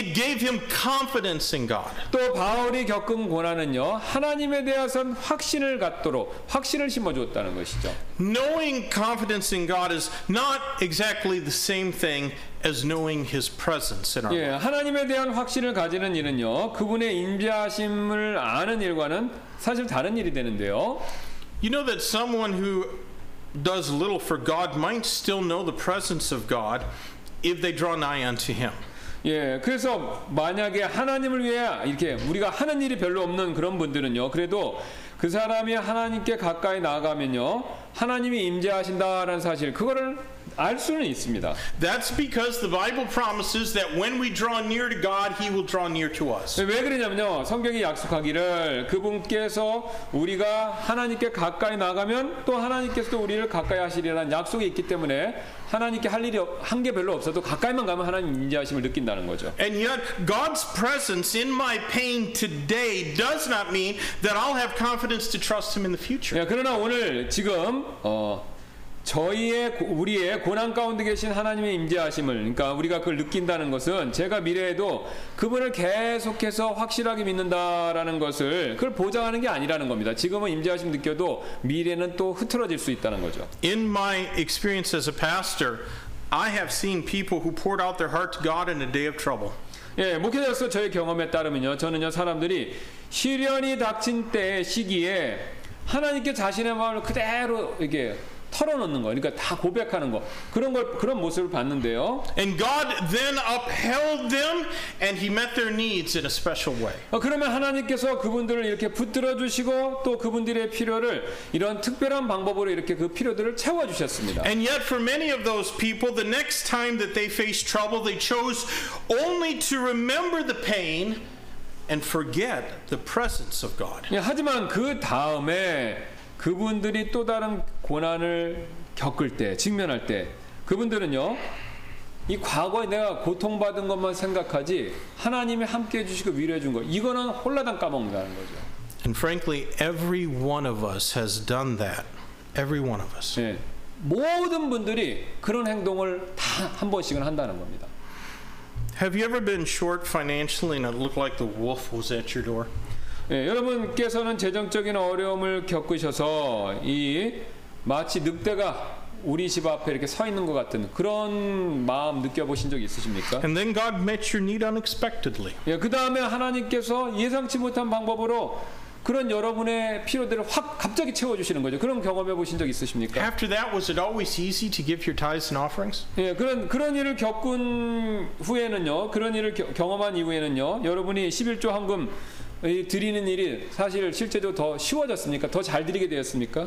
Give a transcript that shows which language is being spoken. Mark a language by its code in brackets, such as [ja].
[en] It gave him confidence in God. [ko] 또 바울이 겪은 고난은요. 하나님에 대해선 확신을 갖도록 확신을 심어 주었다는 것이죠. [en] Knowing confidence in God is not exactly the same thing as knowing his presence in our life. [ko] 예, 하나님에 대한 확신을 가지는 일은요. 그분의 인자심을 아는 일과는 사실 다른 일이 되는데요. [en] You know that someone who does little for God might still know the presence of God if they draw nigh unto him. [ko] 예, 그래서 만약에 하나님을 위해 이렇게 우리가 하는 일이 별로 없는 그런 분들은요. 그래도 그 사람이 하나님께 가까이 나아가면요. 하나님이 임재하신다라는 사실 그거를 알 수는 있습니다. [en] That's because the Bible promises that when we draw near to God, he will draw near to us. [ko] 왜 그러냐면요. 성경이 약속하기를 그분께서 우리가 하나님께 가까이 나가면 또 하나님께서도 우리를 가까이 하시리라는 약속이 있기 때문에 하나님께 할 일이 한 게 별로 없어도 가까이만 가면 하나님 임재하심을 느낀다는 거죠. [en] And yet God's presence in my pain today does not mean that I'll have confidence to trust him in the future. [ko] 예, 그러나 오늘 지금 저희의 우리의 고난 가운데 계신 하나님의 임재하심을 그러니까 우리가 그걸 느낀다는 것은 제가 미래에도 그분을 계속해서 확실하게 믿는다라는 것을 그걸 보장하는 게 아니라는 겁니다. 지금은 임재하심 느껴도 미래는 또 흐트러질 수 있다는 거죠. [en] In my experience as a pastor, I have seen people who poured out their heart to God in a day of trouble. [ko] 예, 목회자로서 저의 경험에 따르면요. 저는요, 사람들이 시련이 닥친 때 시기에 하나님께 자신의 마음을 그대로 이게 털어놓는 거, 그러니까 다 고백하는 거, 그런 걸 그런 모습을 봤는데요. [en] And God then upheld them, and He met their needs in a special way. [ko] 그러면 하나님께서 그분들을 이렇게 붙들어 주시고 또 그분들의 필요를 이런 특별한 방법으로 이렇게 그 필요들을 채워 주셨습니다. [en] And yet, for many of those people, the next time that they faced trouble, they chose only to remember the pain and forget the presence of God. [ko] 하지만 그 다음에 그분들이 또 다른 고난을 겪을 때, 직면할 때, 그분들은요, 이 과거에 내가 고통받은 것만 생각하지, 하나님이 함께 해주시고 위로해 준 거, 이거는 홀라당 까먹는다는 거죠. [en] And frankly, every one of us has done that. Every one of us. [ko] 예, 모든 분들이 그런 행동을 다 한 번씩은 한다는 겁니다. [en] Have you ever been short financially and it looked like the wolf was at your door? [ko] 예, 여러분께서는 재정적인 어려움을 겪으셔서 이 마치 늑대가 우리 집 앞에 이렇게 서 있는 것 같은 그런 마음 느껴보신 적 있으십니까? [en] And then God met your need unexpectedly. [ko] 예, 그 다음에 하나님께서 예상치 못한 방법으로 그런 여러분의 필요들을 확 갑자기 채워주시는 거죠. 그런 경험해 보신 적 있으십니까? [en] After that, was it always easy to give your tithes and offerings? [ko] 예, 그런 일을 겪은 후에는요, 그런 일을 경험한 이후에는요, 여러분이 11조 헌금 드리는 일이 사실 실제로 더 쉬워졌습니까? 더 잘 드리게 되었습니까?